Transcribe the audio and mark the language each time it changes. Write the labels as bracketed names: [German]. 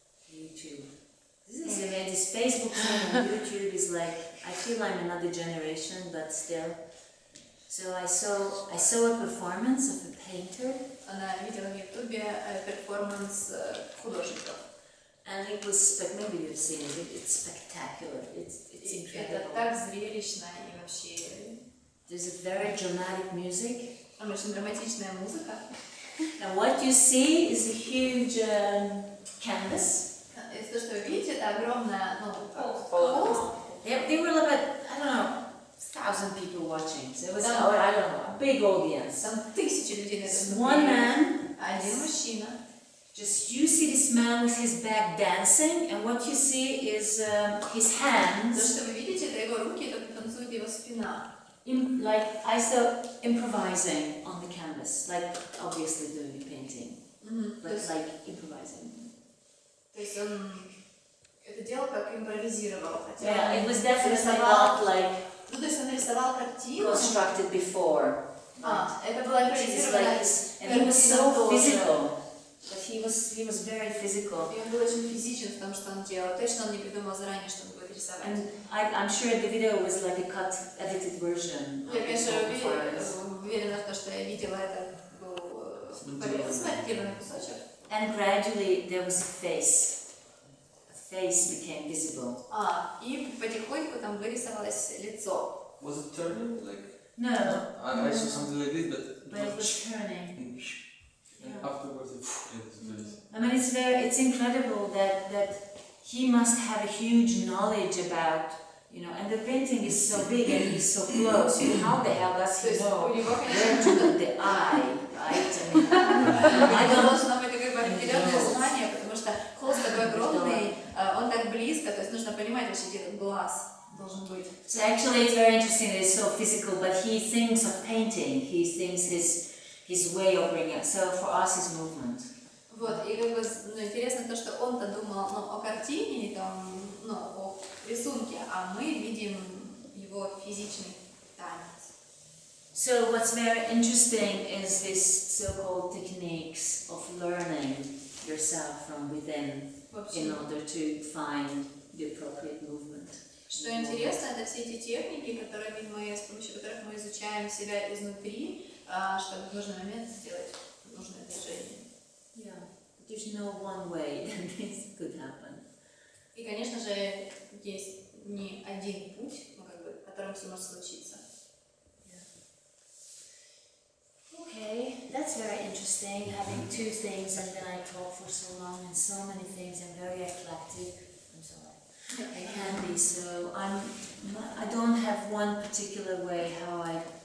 [English] Facebook and YouTube is like, I feel I'm another generation, but still. So I saw a performance of a painter. [Russian] Она видела на Ютубе перформанс художника. [English] And it was maybe you've seen it. It's spectacular. It's incredible. [Russian] Это так зрелищно и вообще. [English] There's a very dramatic music. [Russian] Там очень драматичная музыка. [English] And what you see is a huge canvas. [Russian] И то, что вы видите, это огромная, ну, полотно. [English] Yep, there were like, I don't know, 1,000 people watching. So it was, oh, I don't know, a big audience. [Russian] Там тысячи людей на этом. [English] One man. [Russian] Один мужчина. [English] Just you see this man with his back dancing, and what you see is his hands. [Russian] То, что вы видите, это его руки, это танцует его спина. [English] Like I saw improvising on the canvas, like obviously doing a painting, but like improvising. [Russian] То есть он это делал как импровизировал, хотя. [English] Yeah, it was definitely not like. [Russian] Ну то есть он рисовал картину. [English] Constructed before. [Russian] Это была импровизированная. [English] And he was so physical. But he was very physical. [Russian] И он был очень физичен в том, что он делал. Точно он не придумал заранее, что он будет рисовать. [English] And I'm sure the video was like a cut, edited version. [Russian] Я, конечно, уверена в том, что я видела это. Смонтированный кусочек. [English] And gradually there was a face. A face became visible. [Russian] И потихоньку там вырисовалось лицо. [English] Was it turning? Like? No. I saw something like this, but... But it was turning. Yeah. Afterwards, it's nice. I mean, it's incredible that he must have a huge knowledge about, you know, and the painting is so big and he's so close. You know, how the hell does he know where to look the eye, right? I don't know. [Russian] Нужно быть такой определенное знание, потому что холст такой огромный, он так близко, то есть нужно понимать вообще, где этот глаз должен быть. [English] So actually, it's very interesting. It's so physical, but he thinks of painting. He thinks his way of bringing it. So for us, his movement. [Russian] Вот, и как бы, ну, интересно то, что он-то думал, ну, о картине, там, ну, о рисунке, а мы видим его физичный танец. [English] So what's very interesting is this so-called techniques of learning yourself from within in order to find the appropriate movement. [Russian] Что интересно, это все эти техники, которыми мы, с помощью которых мы изучаем себя изнутри, чтобы в нужный момент сделать нужное движение. [English] Yeah, there's no one way that this could happen. [Russian] И, конечно же, есть не один путь, ну, как бы, которым все может случиться. [English] Yeah. Okay, that's very interesting, having two things, and then I talk for so long, and so many things, and very eclectic. I'm sorry. I can be, so I don't have one particular way how I...